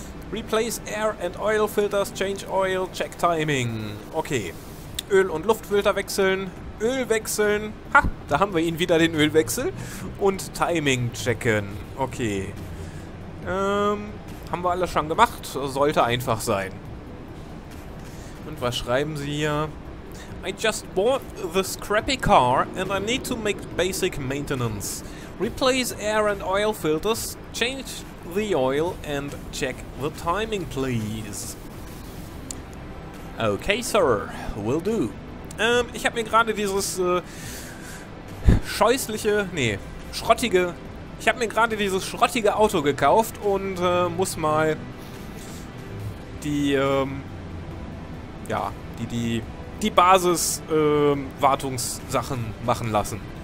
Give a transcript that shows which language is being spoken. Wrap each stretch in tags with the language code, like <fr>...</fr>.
<en>Replace air and oil filters, change oil, check timing. Okay.</en> <de>Öl- und Luftfilter wechseln. Öl wechseln. Ha, da haben wir ihn wieder, den Ölwechsel. Und Timing checken. Okay. Haben wir alles schon gemacht. Sollte einfach sein. Und was schreiben sie hier?</de> <en>I just bought the scrappy car and I need to make basic maintenance. Replace air and oil filters, change the oil and check the timing, please. Okay, sir. Will do.</en> <de>Ich habe mir gerade dieses Ich habe mir gerade dieses schrottige Auto gekauft und muss mal die Basis Wartungssachen machen lassen.</de>